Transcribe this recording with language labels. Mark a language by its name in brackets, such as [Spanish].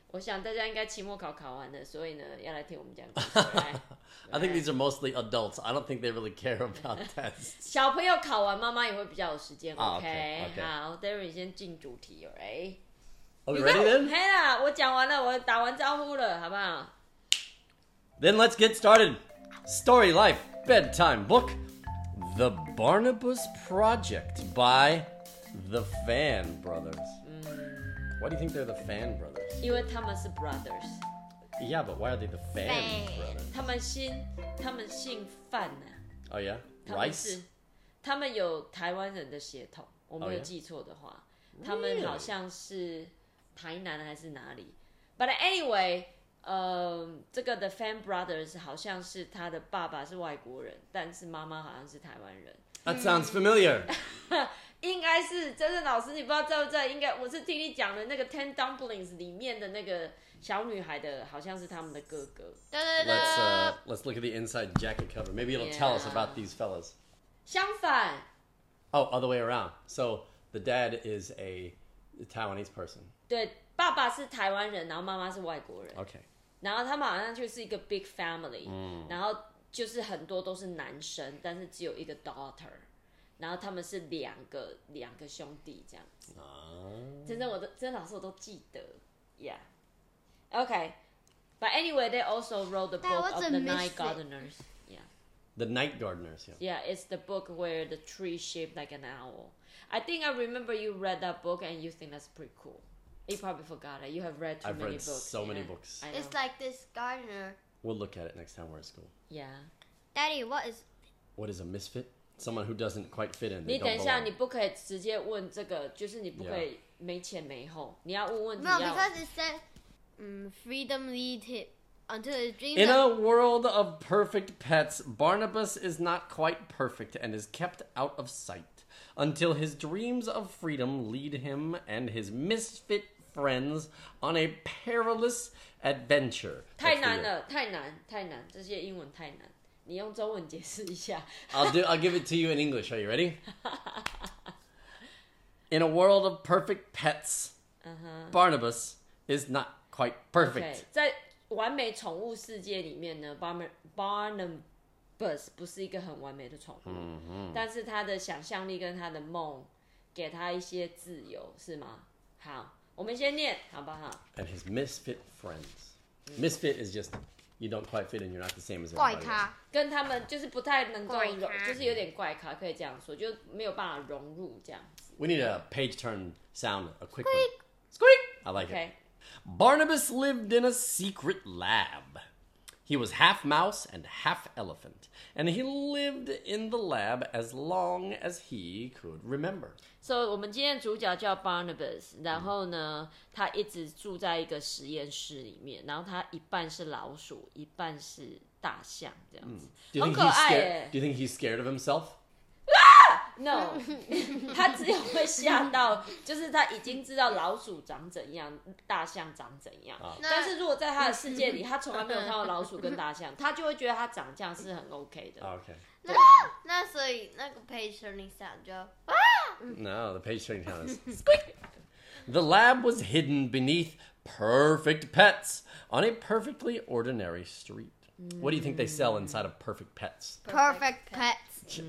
[Chinese] 我想大家应该期末考考完了，所以呢，要来听我们讲故事。 [English] I think these are mostly adults. I don't think they really care about tests. [Chinese] 小朋友考完，妈妈也会比较有时间。 [English] Okay, okay. 好 ，Darren 先进主题 ， All right. Are you ready then? [Chinese] 嘿啦，我讲完了，我打完招呼了，好不好 [English] ？Then let's get started. Story life, bedtime book, The Barnabus Project by the Fan Brothers. Why do you think they're the Fan Brothers? [Chinese] 因为他们是 brothers. [English] Yeah, but why are they the Fan Brothers? [Chinese] 他们姓范啊。 [English] Oh yeah? Rice? [Chinese] 他们有台湾人的血统，我没有记错的话。 [English] Oh, yeah? [Chinese] 他们好像是台南还是哪里。 [English] But anyway, [Chinese] 这个 The Fan Brothers 好像是他的爸爸是外国人，但是妈妈好像是台湾人。 [English] That sounds familiar. [Chinese] 应该是真的老师，你不知道在不在？应该我是听你讲的那个 Ten Dumplings 里面的那个小女孩的，好像是他们的哥哥。 [English] Let's look at the inside jacket cover. Maybe it'll tell us about these fellas. [Chinese] 相反。 [English] Oh, other way around. So the dad is a Taiwanese person. [Chinese] 对，爸爸是台湾人，然后妈妈是外国人。 [English] Okay. [Chinese] 然后他们好像就是一个 [English] big family.、 Mm. [Chinese] 然后就是很多都是男生，但是只有一个 daughter。然后他们是两个兄弟这样子。真的老师我都记得。 [English] Yeah. Okay. But anyway, they also wrote the book of the Night Gardeners. Yeah. The Night Gardeners, yeah. Yeah, it's the book where the tree shaped like an owl. I think I remember you read that book and you think that's pretty cool. You probably forgot it. You have read too I've many read books. I've read so many books. It's like this gardener. We'll look at it next time we're at school. Yeah. Daddy, what is a misfit? Someone who doesn't quite fit in. [Chinese] 你等一下，你不可以直接问这个，就是你不可以没前没后，你要问问题。 [English] No, because it said, freedom lead him until his dreams. In a world of perfect pets, Barnabus is not quite perfect and is kept out of sight until his dreams of freedom lead him and his misfit friends on a perilous adventure. [Chinese] 太难了，太难，太难，这些英文太难。你用中文解释一下。 [English] I'll give it to you in English. Are you ready? In a world of perfect pets,、 uh-huh. Barnabus is not quite perfect. [Chinese] Okay, 在完美宠物世界里面呢 ，Barnabus 不是一个很完美的宠物。 Mm-hmm. 但是他的想象力跟他的梦给他一些自由，是吗？好，我们先念，好不好 [English] ？And his misfit friends. Misfit is just. You don't quite fit and you're not the same as everybody else. [Chinese] 怪咖跟他们就是不太能够融就是有点怪咖可以这样说就没有办法融入这样子。 [English] We need a page turn sound, a quick squeak. One. Squeak! I like okay. it. Barnabus lived in a secret lab. He was half mouse and half elephant. And he lived in the lab as long as he could remember. [Chinese] So, 我们今天主角叫 Barnabus, 然后呢、mm. 他一直住在一个实验室里面然后他一半是老鼠一半是大象这样子。很可爱耶。 [English] Do you think he's scared of himself?、 Ah! No. [Chinese] 他只有会吓到就是他已经知道老鼠长怎样大象长怎样。 [English] Oh. [Chinese] 但是如果在他的世界里他从来没有看到老鼠跟大象他就会觉得他长这样是很 OK 的。 [English] Oh, okay. [Chinese] 那所以那个 [English] page turning sound [Chinese] 就、 [English] No, the page turning sound is squeak. The lab was hidden beneath perfect pets on a perfectly ordinary street.、 Mm. What do you think they sell inside of perfect pets? Perfect pets.